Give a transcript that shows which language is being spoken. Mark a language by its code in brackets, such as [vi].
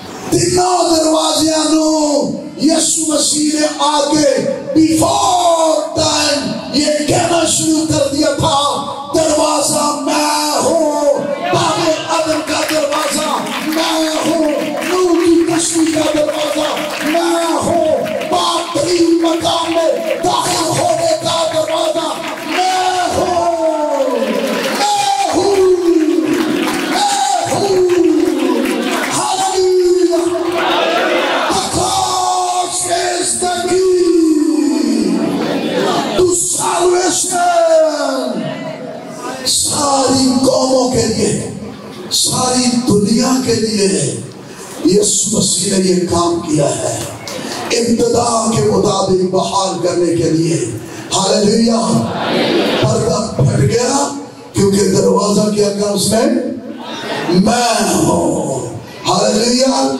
[ur] تینوں دروازے نو یسوع مسیح نے آگے بیفور ٹائم یہ کہنا شروع کر دیا تھا, دروازہ میں ہوں, باب عدن کا دروازہ میں ہوں, نور کی کشتی کا دروازہ میں ہوں, پاک ترین مقام میں داخل ہونے کا دروازہ میں ہوں, میں ہوں, میں ہوں. ہللویہ. [en] The cross is the key to salvation. [ur] ساری قوموں کے لیے, ساری دنیا کے لیے یسوع مسیح نے یہ کام کیا ہے ابتدا کے مطابق بحال کرنے کے لیے. ہللویہ. پردہ پھٹ گیا کیونکہ دروازہ کیا کہا اس نے, میں ہوں. ہللویہ.